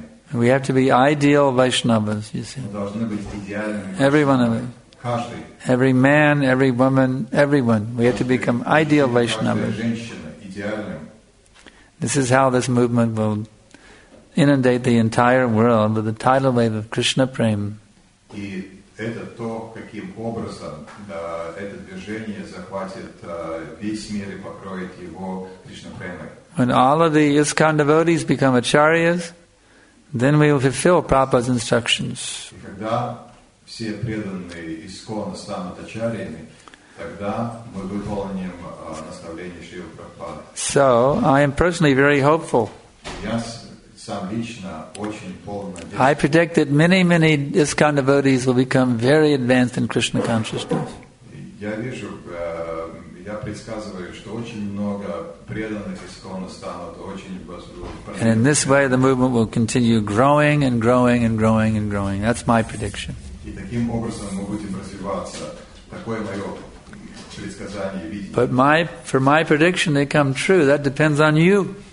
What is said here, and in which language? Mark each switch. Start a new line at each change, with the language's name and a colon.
English: And we have to be ideal Vaishnavas, you see. Every one of us. Every man, every woman, everyone. We have to become ideal Vaishnavas. This is how this movement will inundate the entire world with the tidal wave of Krishna Prema.
Russian: Это то, каким образом это движение захватит весь мир и покроет его Кришна премой.
English: When all of the ISKCON devotees become acharyas, then we will fulfill Prabhupada's instructions.
Russian: И когда все преданные ISKCON станут ачарьями, тогда мы выполним наставление Шрилы Прабхупады.
English: So, I am personally very hopeful. Yes.
Russian: Сам лично очень полон надежды.
English: I predict that many, many ISKCON devotees will become very advanced in Krishna consciousness.
Russian: Я вижу, я предсказываю, что очень много преданных ISKCON станут очень возрастут.
English: And in this way, the movement will continue growing and growing and growing and growing. That's my prediction.
Russian: И таким образом мы будем развиваться. Такое мое предсказание, видение.
English: But for my prediction to come true, that depends on you.